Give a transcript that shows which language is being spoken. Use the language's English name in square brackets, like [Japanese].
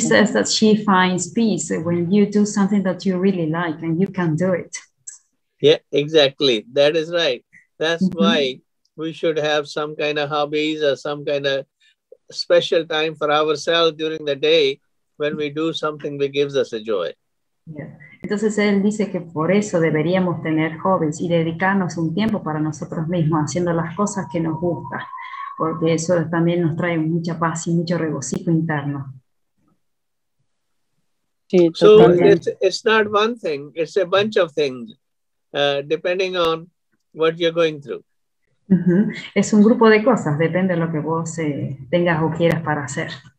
[English] says that she finds peace when you do something that you really like and you can do it. Yeah, exactly. That is right. That's why we should have some kind of hobbies or some kind of special time for ourselves during the day when we do something that gives us a joy. Yeah. [Spanish] Entonces él dice que por eso deberíamos tener hobbies y dedicarnos un tiempo para nosotros mismos haciendo las cosas que nos gustan, porque eso también nos trae mucha paz y mucho regocijo interno. Sí, totalmente. [English] So it's not one thing, it's a bunch of things, depending on what you're going through. [Spanish] Es un grupo de cosas, depende de lo que vos tengas o quieras para hacer.